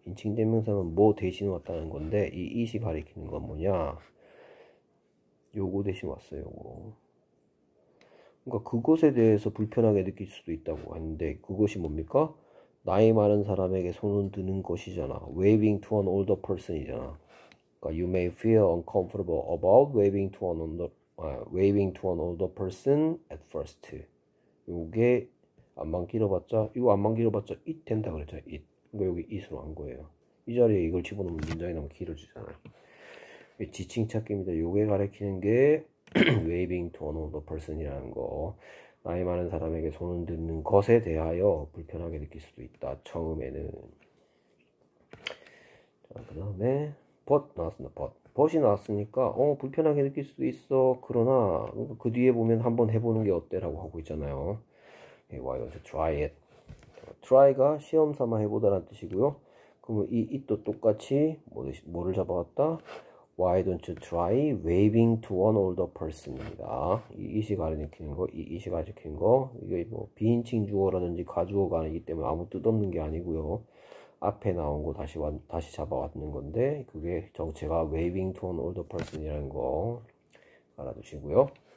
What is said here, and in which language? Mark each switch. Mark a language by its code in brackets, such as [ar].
[ko] 인칭 대명사는 뭐 대신 왔다는 건데 이 it이 가리키는 건 뭐냐? 요거 대신 왔어요. 요거. 그러니까 그것에 대해서 불편하게 느낄 수도 있다고 하는데 그것이 뭡니까? 나이 많은 사람에게 손을 드는 것이잖아. [en] Waving to an older person [ko] 이잖아. 그러니까 [en] you may feel uncomfortable about waving to an older person at first. [ko] 요게 안만 길어봤자 이거 안만 길어봤자 it 된다 그랬잖아요 it 여기 it으로 한 거예요 이 자리에 이걸 집어넣으면 문장이 너무 길어지잖아요 지칭 찾기입니다 요게 가리키는 게 [en] waving to an older person [ko] 이라는 거 나이 많은 사람에게 손을 드는 것에 대하여 불편하게 느낄 수도 있다 처음에는 자 그다음에 but 나왔습니다 but이 나왔으니까 불편하게 느낄 수도 있어 그러나 그 뒤에 보면 한번 해보는 게 어때라고 하고 있잖아요 [en] Hey, why don't you try it? [ko] try가 시험 삼아 해보다라는 뜻이고요. 그러면 이 it도 똑같이 뭐를 잡아왔다? [en] Why don't you try waving to an older person [ko] 입니다. 이 it이 가리키는 거, 이 it이 가리키는 거, 이게 뭐 비인칭 주어라든지 가주어가 아니기 때문에 아무 뜻 없는 게 아니고요. 앞에 나온 거 다시 잡아왔는 건데 그게 정체가 [en] waving to an older person [ko] 이라는 거 알아두시고요.